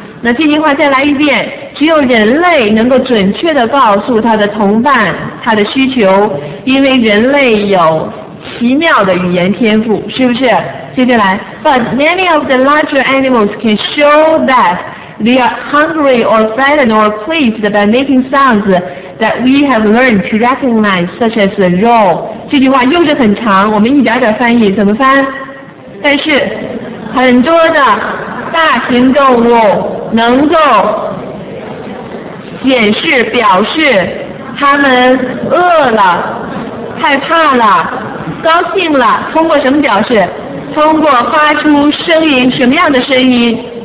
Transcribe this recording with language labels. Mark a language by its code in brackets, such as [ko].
[zh] 那这句话再来一遍，只有人类能够准确地告诉他的同伴他的需求，因为人类有奇妙的语言天赋，是不是？接下来 [en] But many of the larger animals can show that they are hungry or frightened or pleased by making sounds that we have learned to recognize such as the roar [zh] 这句话又是很长，我们一点点翻译，怎么翻？但是很多的大型动物能够显示表示它们饿了害怕了高兴了，通过什么表示？通过发出声音，什么样的声音？